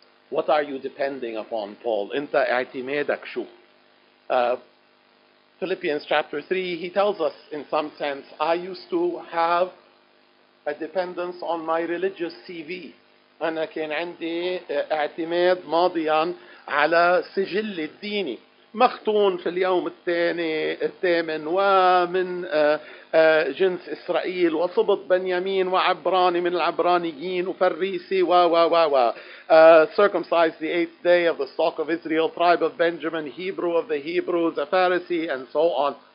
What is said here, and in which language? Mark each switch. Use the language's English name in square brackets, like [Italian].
[English] What are you depending upon, Paul? [Arabic] انت اعتمادك شو؟ [English] Philippians chapter 3, he tells us in some sense, I used to have a dependence on my religious CV. [Arabic] انا كان عندي اعتماد ماضيا على سجل الديني. مختون في اليوم الثاني الثامن ومن جنس إسرائيل وصبط بنيامين وعبراني من العبرانيين وفريسي و و [English] و و circumcised the eighth day of the stock of Israel, tribe of Benjamin, Hebrew of the Hebrews, a Pharisee, and so on.